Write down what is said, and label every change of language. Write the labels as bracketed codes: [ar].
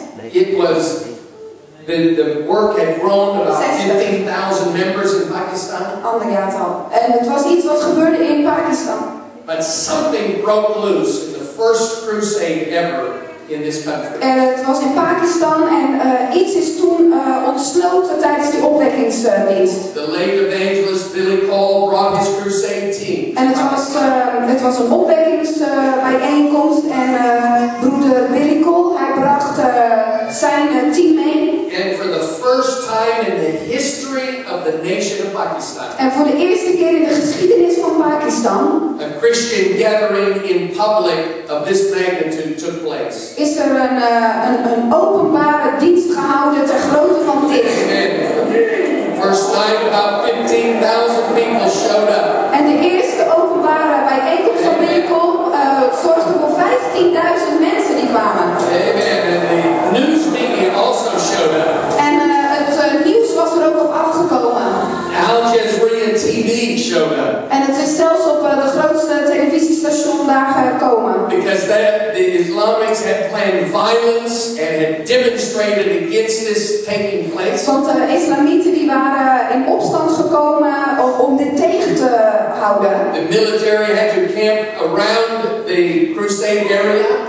[en] It was the work had grown about 15,000 members in Pakistan. [nl] Ander jaartal. En het was iets wat gebeurde in Pakistan. [en] But something broke loose in the first crusade ever in this country. [nl] En het was in Pakistan en iets is toen ontsloten tijdens die opwekkingsdienst. [en] The late evangelist Billy Paul brought his crusade team. [nl] En het was een opwekkingsbijeenkomst en broeder Billy Cole, hij bracht zijn team mee. [en] And for the first time in the history of the nation of Pakistan. [nl] En voor de eerste keer in de geschiedenis van Pakistan. [en] A Christian gathering in public of this magnitude took place. [nl] Is er een openbare dienst gehouden ter grootte van dit. [en] Amen. First time about 15,000 people showed up. [nl] En de eerste openbare bijeenkomst van Bikkel zorgde voor 15,000 mensen die kwamen. [en] Amen. And the news media also showed up. [nl] En het nieuws was er ook op afgekomen. [en] Al Jazeera TV showed up. [nl] En het is zelfs op de grootste televisiestation daar gekomen. [en] Because the Islamics had planned violence and had demonstrated against this taking place. [nl] Want de islamieten die waren in opstand gekomen om dit tegen te houden. [en] The military had to camp around the crusade area.